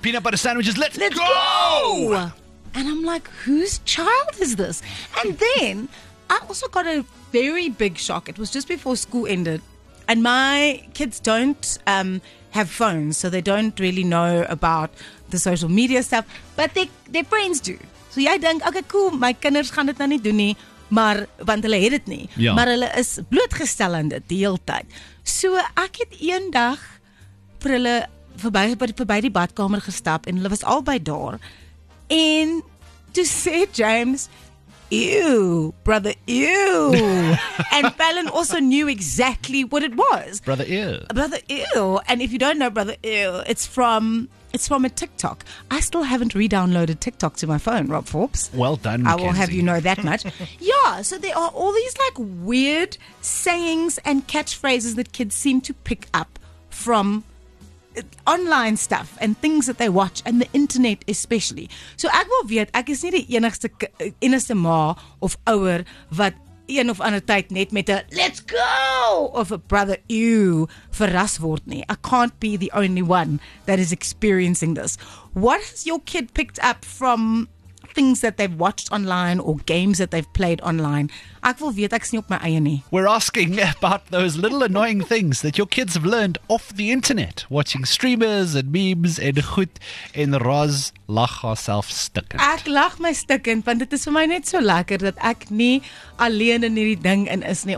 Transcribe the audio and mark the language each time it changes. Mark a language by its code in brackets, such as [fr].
[en] Peanut butter sandwiches, let's go! And I'm like, whose child is this? And then I also got a very big shock. It was just before school ended. And my kids don't have phones, so they don't really know about the social media stuff. But their friends do. [af] So jy dink, okay, cool, my kinders gaan dit nou nie doen nie, maar want hulle het dit nie. Ja. Maar hulle is blootgestel aan dit die hele tyd. So ek het eendag vir hulle verby die badkamer gestap en hulle was albei daar. En toe sê James... [en] Ew, brother, ew. And Fallon also knew exactly what it was. Brother, ew. Brother, ew. And if you don't know brother, ew, it's from a TikTok. I still haven't re-downloaded TikTok to my phone, Rob Forbes. Well done, Mackenzie. I will have you know that much. Yeah, so there are all these like weird sayings and catchphrases that kids seem to pick up from online stuff and things that they watch and the internet especially. [af] So ek wil weet, ek is nie die enigste ma of ouer wat een of ander tyd net met 'n [en] let's go [af] of [en] a brother you [af] verras word nie. [en] I can't be the only one that is experiencing this. What has your kid picked up from things that they've watched online or games that they've played online? [af] Ek wil weet, ek is nie op my eie nie. [en] We're asking about those little annoying things that your kids have learned off the internet, watching streamers and memes and [af] goed en Roz lag haarself stikkend. Ek lag my stikkend, want dit is vir my net so lekker dat ek nie alleen in hierdie ding in is nie.